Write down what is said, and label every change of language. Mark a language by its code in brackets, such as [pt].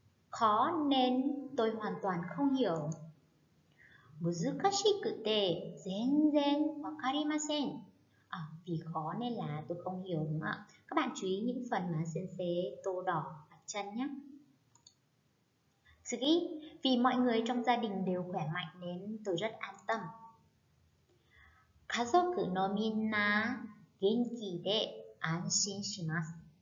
[vi] Khó nên tôi hoàn toàn không hiểu. [ja] 難しくて全然わかりません. [vi] Vì khó nên là tôi không hiểu đúng không ạ? Các bạn chú ý những phần mà sensei tô đỏ đặt chân nhé. Tsugi, vì mọi người trong gia đình đều khỏe mạnh nên tôi rất an tâm. [ja] Kazoku no minna genki de anshin shimasu.